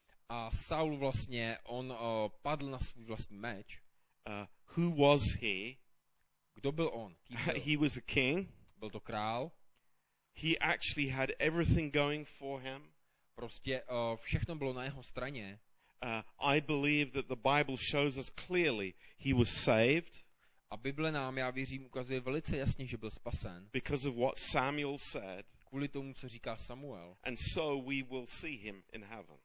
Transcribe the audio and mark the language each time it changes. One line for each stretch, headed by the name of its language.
Czech: A Saul vlastně, on padl na svůj vlastní meč.
English: Who was he?
Czech: Kdo byl on? Kým byl?
English: He was a king.
Czech: Byl to král.
English: He actually had everything going for him.
Czech: Prostě všechno bylo na jeho straně.
English: I believe that the Bible shows us clearly he was saved.
Czech: A Bible nám, já věřím, ukazuje velice jasně, že byl spasen.
English: Because of what Samuel said.
Czech: Kvůli tomu, co říká Samuel.
English: And so we will see him in heaven.